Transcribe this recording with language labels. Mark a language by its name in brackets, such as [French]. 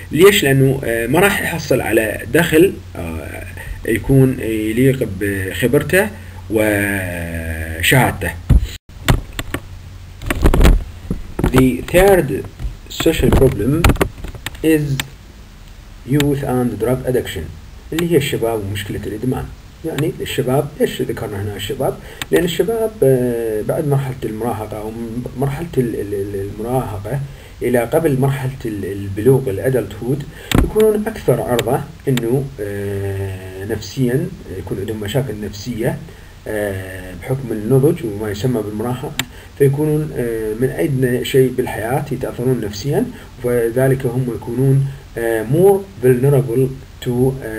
[Arabic] ليش؟ لأنه ما راح يحصل على دخل يكون يليق بخبرته وشهادته. [English] The third social problem is Youth and Drug Addiction [Arabic] اللي هي الشباب ومشكلة الإدمان. يعني الشباب، ايش ذكرنا هنا الشباب؟ لأن الشباب بعد مرحلة المراهقة أو مرحلة المراهقة إلى قبل مرحلة البلوغ الأدلتهود يكونون أكثر عرضة إنه نفسيا يكون عندهم مشاكل نفسية بحكم النضج وما يسمى بالمراهقة، فيكونون من أدنى شيء بالحياة يتأثرون نفسيا، وذلك هم يكونون [English] more vulnerable to